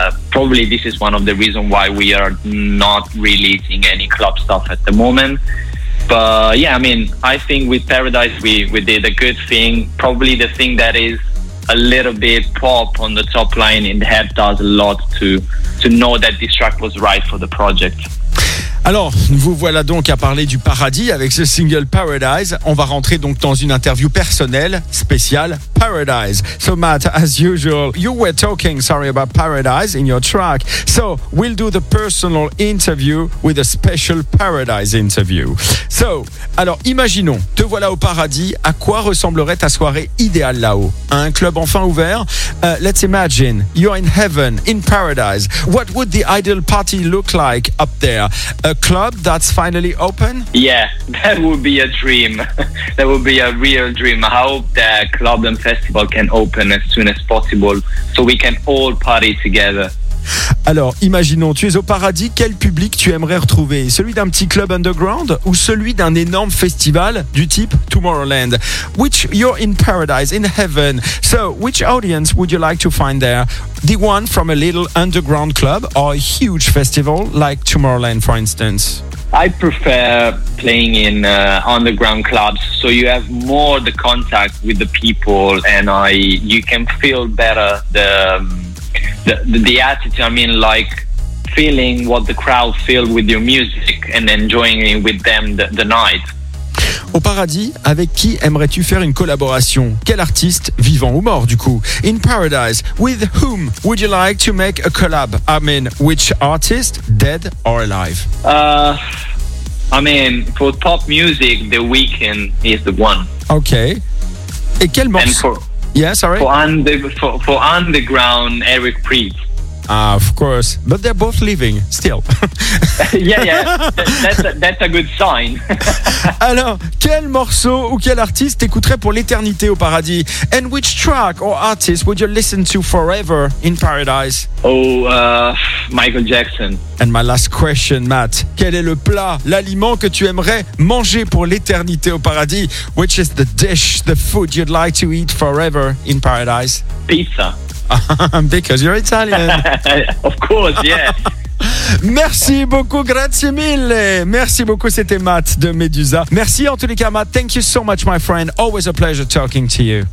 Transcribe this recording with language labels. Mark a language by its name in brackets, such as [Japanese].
[English] Probably this is one of the reasons why we are not releasing any club stuff at the moment. But yeah, I mean, I think with Paradise we did a good thing. Probably the thing that is a little bit pop on the top line in the head does a lot to know that this track was right for the project. [French] Alors, vous voilà donc à parler du paradis avec ce single Paradise. On va rentrer donc dans une interview personnelle, spéciale, Paradise. [English] So Matt, as usual, you were talking, about Paradise in your track. So, we'll do the personal interview with a special Paradise interview. [French] So, alors, imaginons, te voilà au paradis. À quoi ressemblerait ta soirée idéale là-haut? Un club enfin ouvert? [English] Let's imagine, you're in heaven, in paradise. What would the ideal party look like up there? A club that's finally open? Yeah, that would be a dream. That would be a real dream. I hope that club and festival can open as soon as possible so we can all party together. [French] Alors, imaginons, tu es au paradis, quel public tu aimerais retrouver? Celui d'un petit club underground ou celui d'un énorme festival du type Tomorrowland? [English] Which, you're in paradise, in heaven. So, which audience would you like to find there? The one from a little underground club or a huge festival like Tomorrowland, for instance? I prefer playing in underground clubs, so you have more the contact with the people and you can feel better the attitude, I mean, like feeling what the crowd feel with your music and enjoying it with them the night. [French] Au paradis, avec qui aimerais-tu faire une collaboration? Quel artiste, vivant ou mort, du coup? [English] In paradise, with whom would you like to make a collab? I mean, which artist, dead or alive? I mean, for pop music, The Weeknd is the one. Okay. [French] Et quel morceau? [English] Yeah, sorry. For underground, Eric Preet. Ah, of course. But they're both living, still. that's a good sign. [French] Alors, quel morceau ou quel artiste t'écouterais pour l'éternité au paradis? [English] And which track or artist would you listen to forever in paradise? Michael Jackson. And my last question, Matt. [French] Quel est le plat, l'aliment que tu aimerais manger pour l'éternité au paradis? [English] Which is the dish, the food you'd like to eat forever in paradise? Pizza. Because you're Italian. Of course, yeah. [French] Merci beaucoup, [Italian] grazie mille. [French] Merci beaucoup, c'était Matt de Medusa. Merci en tous les cas, Matt. [English] Thank you so much, my friend. Always a pleasure talking to you.